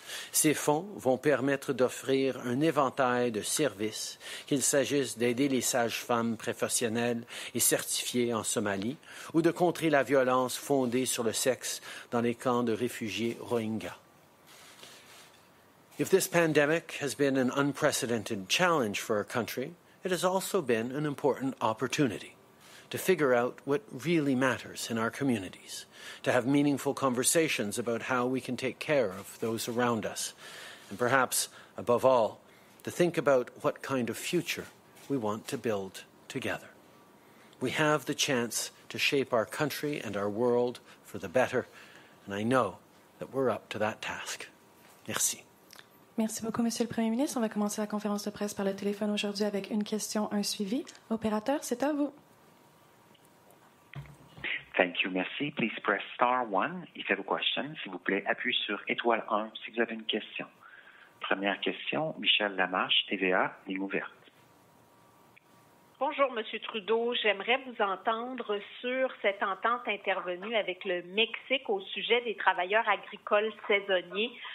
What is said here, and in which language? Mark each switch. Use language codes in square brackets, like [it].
[fr] Ces fonds vont permettre d'offrir un éventail de services, qu'il s'agisse d'aider les sages-femmes professionnelles et certifiées en Somalie ou de contrer la violence fondée sur le sexe dans les camps de réfugiés Rohingyas. [en] If this pandemic has been an unprecedented challenge for our country, it has also been an important opportunity to figure out what really matters in our communities, to have meaningful conversations about how we can take care of those around us, and perhaps, above all, to think about what kind of future we want to build together. We have the chance to shape our country and our world for the better, and I know that we're up to that task. [fr] Merci. Merci beaucoup, Monsieur le Premier ministre. On va commencer la conférence de presse par le téléphone aujourd'hui avec une question, un suivi. Opérateur, c'est à vous. [en] Thank you, [fr] merci. [en] Please press star 1 if you have a question. [fr] S'il vous plaît, appuyez sur étoile 1 si vous avez une question. Première question, Michel Lamarche, TVA, ligne ouverte. Bonjour, M. Trudeau. J'aimerais vous entendre sur cette entente intervenue avec le Mexique au sujet des travailleurs agricoles saisonniers.